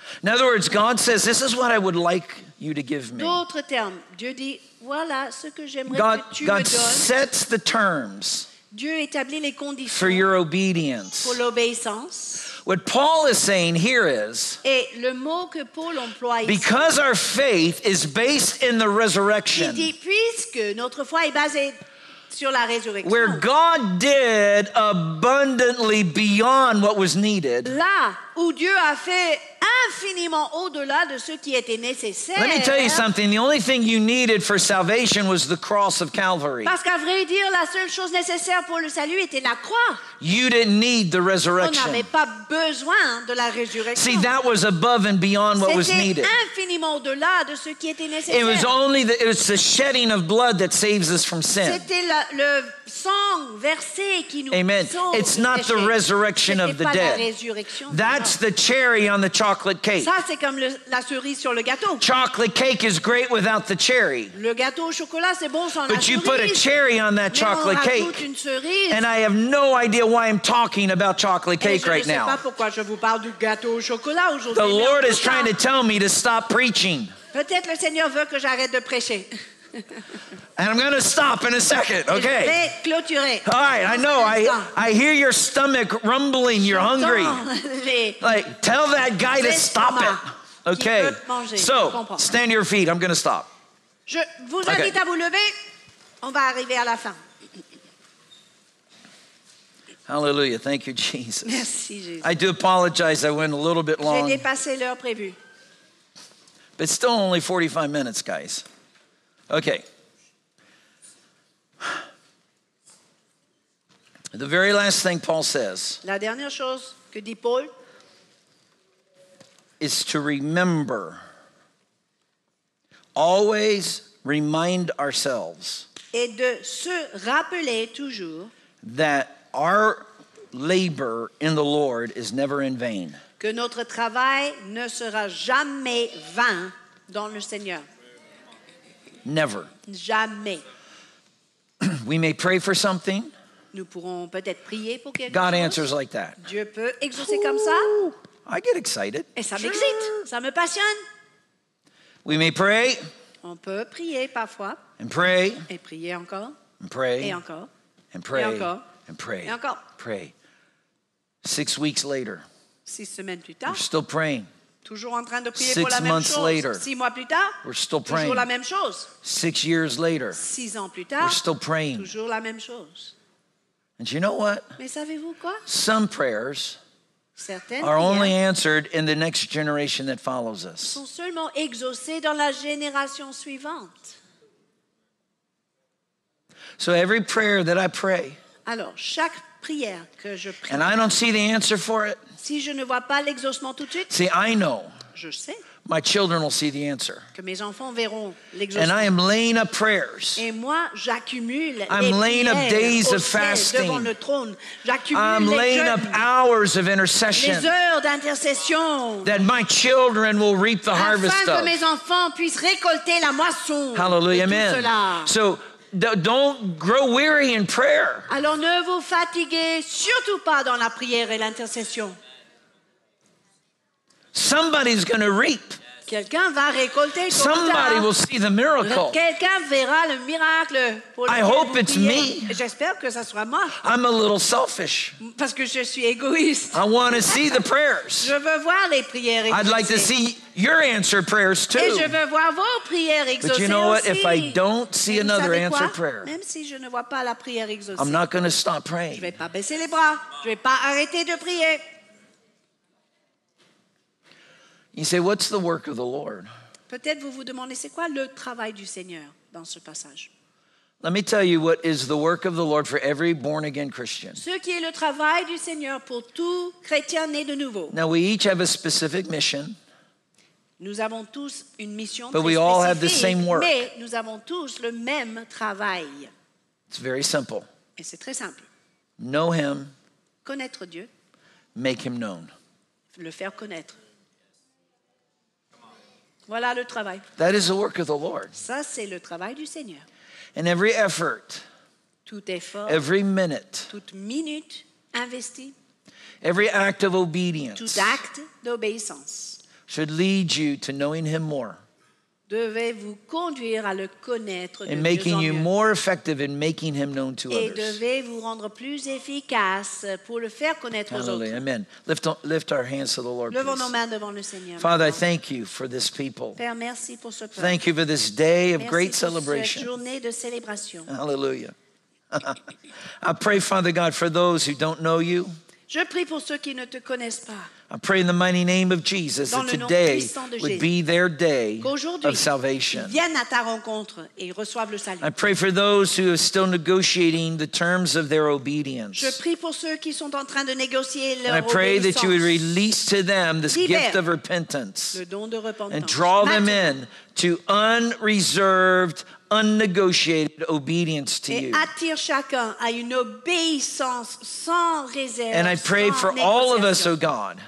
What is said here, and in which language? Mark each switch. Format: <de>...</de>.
<en>In other words, God says, "This is what I would like you to give me."</en> <fr>D'autres termes, Dieu dit, voilà ce que j'aimerais</fr> <en>God,</en> <fr>que tu</fr> <en>God</en> <fr>me donnes.</fr> <en>God sets the terms.</en> <fr>Dieu établit les conditions</fr> <en>for your obedience.</en> <fr>Pour l'obéissance.</fr> <en>What Paul is saying here is,</en> <fr>et le mot que Paul emploie ici,</fr> <en>because our faith is based in the resurrection,</en> <fr>il dit, puisque notre foi est basée sur la résurrection,</fr> <en>where God did abundantly beyond what was needed,</en> <fr>là où Dieu a fait infiniment au-delà de ce qui était nécessaire.</fr> <en>Let me tell you something. The only thing you needed for salvation was the cross of Calvary.</en> <fr>Parce qu'à vrai dire, la seule chose nécessaire pour le salut était la croix.</fr> <en>You didn't need the resurrection.</en> <fr>On n'avait pas besoin de la résurrection.</fr> <en>See, that was above and beyond what</en> <fr>c'était</fr> <en>was needed.</en> <fr>C'était infiniment au-delà de ce qui était nécessaire.</fr> <en>It was only the shedding of blood that saves us from sin.</en> <fr>C'était le sang versé qui nous</fr> <en>Amen.</en> <fr>Sauve.</fr> <en>Amen. It's not</en> <fr>péché.</fr> <en>The resurrection</en> <fr>c'était</fr> <en>of the</en> <fr>pas</fr> <en>dead.</en> <fr>La résurrection</fr> <en>That's the cherry on the chocolate. Cake.</en> <fr>Ça, c'est comme la cerise sur le gâteau.</fr> <en>Chocolate cake is great without the cherry.</en> <fr>Le gâteau au chocolat, c'est bon sans</fr> <en>But</en> <fr>la cerise.</fr> <en>But you put a cherry on that chocolate</en> <fr>Mais on</fr> <en>cake.</en> <fr>Rajoute une cerise.</fr> <en>And I have no idea why I'm talking about chocolate</en> <fr>Et</fr> <en>cake right now.</en> <fr>Je ne sais pas pourquoi je vous parle du gâteau au chocolat aujourd'hui.</fr> <en>The Lord is trying to tell me to stop preaching.</en> <fr>Peut-être le Seigneur veut que j'arrête de prêcher.</fr> <en>And I'm going to stop in a second, okay?</en> <fr>Je vais clôturer.</fr> <en>All right, I know. I hear your stomach rumbling. You're hungry. Like, tell that guy to stop it. Okay. So, stand your feet. I'm going to stop.</en> <fr>Je vous invite à vous lever. On va arriver à la fin.</fr> <en>Hallelujah. Thank you, Jesus.</en> <fr>Merci, Jésus.</fr> <en>I do apologize. I went a little bit long.</en> <fr>J'ai dépassé l'heure prévue.</fr> <en>But still only 45 minutes, guys. Okay. The very last thing Paul says</en> <fr>la dernière chose que dit Paul</fr> <en>is to remember. Always remind ourselves</en> <fr>et de se rappeler toujours</fr> <en>that our labor in the Lord is never in vain.</en> <fr>Que notre travail ne sera jamais vain dans le Seigneur.</fr> <en>Never.</en> <fr>Jamais.</fr> <en>We may pray for something.</en> <fr>Nous pourrons peut-être prier pour quelque</fr> <en>God</en> <fr>chose.</fr> <en>Answers like that.</en> <fr>Dieu peut exaucer comme ça.</fr> <en>I get excited.</en> <fr>Et ça m'excite. Ça me passionne.</fr> <en>We may pray.</en> <fr>On peut prier parfois.</fr> <en>And pray.</en> <fr>Et prier encore.</fr> <en>And pray.</en> <fr>Et encore.</fr> <en>And pray.</en> <fr>Et encore.</fr> <en>And pray.</en> <fr>Et encore.</fr> <en>Pray. 6 weeks later.</en> <fr>6 semaines plus tard.</fr> <en>We're still praying.</en> <fr>Toujours en train de prier</fr> <en>Six</en> <fr>pour la</fr> <en>months</en> <fr>même</fr> <en>later,</en> <fr>chose. 6 mois plus tard,</fr> <en>we're still praying.</en> <fr>Toujours la même chose.</fr> <en>6 years later,</en> <fr>6 ans plus tard,</fr> <en>we're still praying.</en> <fr>Toujours la même chose.</fr> <en>And you know what?</en> <fr>Mais savez-vous quoi?</fr> <en>Some prayers</en> <fr>Certaines</fr> <en>are only answered in the next generation that follows us.</en> <fr>Sont seulement exaucées dans la génération suivante.</fr> <en>So every prayer that I pray,</en> <fr>Alors, chaque prière que je prie,</fr> <en>and I don't see the answer for it.</en> <fr>Si je ne vois pas l'exaucement tout de suite,</fr> <en>see, I know.</en> <fr>Je sais.</fr> <en>My children will see the answer.</en> <fr>Que mes enfants verront l'exaucement.</fr> <en>And I am laying up prayers.</en> <fr>Et moi, j'accumule</fr> <en>I'm laying up days of fasting.</en> <fr>Devant le trône. J'accumule</fr> <en>I'm</en> <fr>les</fr> <en>laying</en> <fr>jeunes.</fr> <en>Up hours of intercession.</en> <fr>Les heures d'intercession.</fr> <en>That my children will reap the</en> <fr>afin</fr> <en>harvest</en> <fr>que</fr> <en>of.</en> <fr>Mes enfants puissent récolter la moisson.</fr> <en>Hallelujah, amen.</en> <fr>Cela.</fr> <en>So, don't grow weary in prayer.</en> <fr>Alors ne vous fatiguez surtout pas dans la prière et l'intercession.</fr> <en>Somebody's going to reap.</en> <fr>Quelqu'un va récolter tout</fr> <en>ça. Somebody will see the miracle.</en> <fr>Quelqu'un verra le miracle.</fr> <en>I hope it's me.</en> <fr>J'espère que ça soit moi.</fr> <en>I'm a little selfish.</en> <fr>Parce que je suis égoïste.</fr> <en>I want to see the prayers.</en> <fr>Je veux voir les prières exaucées.</fr> <en>I'd like to see your answer prayers too.</en> <fr>Et je veux voir vos prières exaucées aussi.</fr> <en>But you know what? If I don't see another answer prayer,</en> <fr>même si je ne vois pas la prière exaucée,</fr> <en>I'm not going to stop praying.</en> <fr>Je vais pas baisser les bras. Je vais pas arrêter de prier.</fr> <en>You say, what's the work of the Lord?</en> <fr>Peut-être vous vous demandez, c'est quoi le travail du Seigneur dans ce passage?</fr> <en>Let me tell you what is the work of the Lord for every born-again Christian.</en> <fr>Ce qui est le travail du Seigneur pour tout chrétien né de nouveau.</fr> <en>Now, we each have a specific mission.</en> <fr>Nous avons tous une mission</fr> <en>but</en> <fr>très</fr> <en>we all</en> <fr>spécifique,</fr> <en>have the same work.</en> <fr>Mais nous avons tous le même travail.</fr> <en>It's very simple.</en> <fr>Et c'est très simple.</fr> <en>Know him.</en> <fr>Connaître Dieu.</fr> <en>Make him known.</en> <fr>Le faire connaître. Voilà le travail.</fr> <en>That is the work of the Lord.</en> <fr>Ça, c'est le travail du Seigneur.</fr> <en>And every effort,</en> <fr>tout effort,</fr> <en>every minute,</en> <fr>toute minute investie,</fr> <en>every act of obedience,</en> <fr>tout acte d'obéissance,</fr> <en>should lead you to knowing him more.</en> <fr>Devait vous conduire à le connaître de</fr> <en>and making you more effective in making him known to</en> <fr>et</fr> <en>others.</en> <fr>Et devait vous rendre plus efficace pour le faire connaître</fr> <en>Hallelujah.</en> <fr>Aux autres.</fr> <en>Amen. Lift our hands to the Lord.</en> <fr>Levons</fr> <en>please.</en> <fr>Nos mains devant le Seigneur.</fr> <en>Father, I thank you for this people.</en> <fr>Père, merci pour ce peuple.</fr> <en>Thank you for this day of</en> <fr>merci</fr> <en>great celebration.</en> <fr>Merci pour cette journée de célébration.</fr> <en>Hallelujah. I pray, Father God, for those who don't know you.</en> <fr>Je prie pour ceux qui ne te connaissent pas.</fr> <en>I pray in the mighty name of Jesus</en> <fr>dans</fr> <en>that today would be their day of salvation.</en> <fr>Viennent à ta rencontre et reçoivent le salut.</fr> <en>I pray for those who are still negotiating the terms of their obedience.</en> <fr>Je prie pour ceux qui sont en train de négocier leur obéissance.</fr> <en>And I pray that you would release to them this</en> <fr>Libère</fr> <en>gift of repentance.</en> <fr>Le don de repentance.</fr> <en>And draw them in to unreserved, unnegotiated obedience to</en> <fr>et</fr> <en>you.</en> <fr>Attire chacun à une obéissance sans réserve.</fr> <en>And I pray for all of us, O oh God,</en>